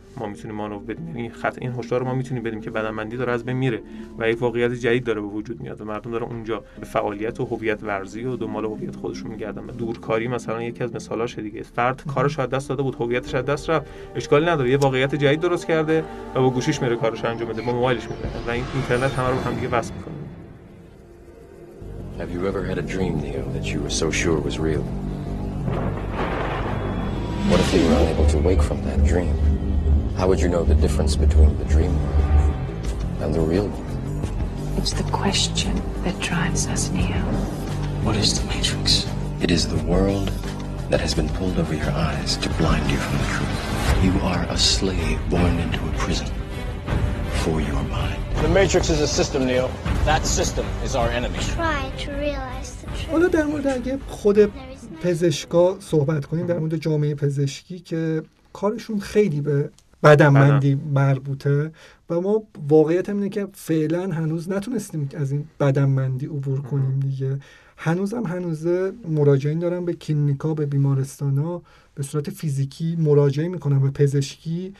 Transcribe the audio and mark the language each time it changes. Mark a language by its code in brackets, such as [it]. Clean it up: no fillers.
[fa] ما میتونیم مانور بدیم، یعنی خط این هشدار رو ما میتونیم بدیم که بدنمندی داره از بین میره و یک واقعیت جدید داره به وجود میاد و مردم دارن اونجا به فعالیت و هویت ورزی و دنبال هویت خودشون میگردن. دورکاری مثلا یکی از مثالاشه دیگه، فرد کارش از دست داده بود، هویتش از دست رفت، اشکالی نداره، یه واقعیت جدید درست کرده و با گوشیش میره کارش انجام میده، با موبایلش میره و این اینترنت همه رو هم دیگه وصل میکنه. [en] Have you ever had a dream, Neo, that you were so sure was real? What if you were unable to wake from that dream? How would you know the difference between the dream and the real one? It's the question that drives us, Neo. What is the Matrix? It is the world that has been pulled over your eyes to blind you from the truth. You are a slave born into a prison for your mind. The Matrix is a system, Neo. That system is our enemy. Try to realize the truth. [fa] حالا در مورد اگه خود پزشکا صحبت کنیم، در مورد جامعه پزشکی که کارشون خیلی به بدنمندی مربوطه و ما واقعیت همینه که فعلا هنوز نتونستیم از این بدنمندی عبور کنیم دیگه، هنوز مراجعین دارن به کلینیکا، به بیمارستانا به صورت فیزیکی مراجعه میکنن و پزشکی